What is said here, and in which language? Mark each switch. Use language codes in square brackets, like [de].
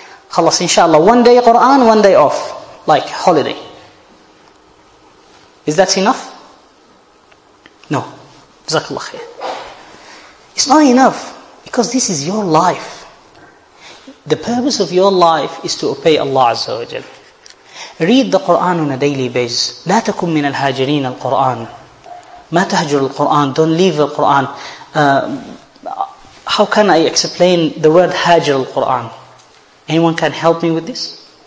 [en] Khalas, inshallah, one day Quran, one day off. Like holiday. Is that enough? No. Jazakallah khair. It's not enough because this is your life. The purpose of your life is to obey Allah Azza wa Jal. Read the Quran on a daily basis. [ar] لا تكن من الهاجرين القرآن. ما تهجر القرآن. [en] Don't leave the Quran. How can I explain the word [ar] هاجر القرآن? [en] Anyone can help me with this?